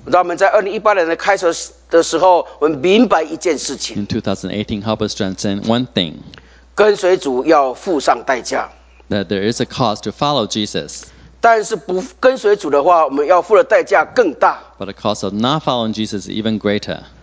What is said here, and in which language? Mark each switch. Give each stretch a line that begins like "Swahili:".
Chinese: 让我们在2018年的开始的时候，我们明白一件事情。
English: In 2018, help us transcend one thing.
Chinese: 跟随主要付上代价。
English: That there is a cost to follow Jesus.
Chinese: 但是不跟随主的话，我们要付的代价更大。
English: But the cost of not following Jesus is even greater.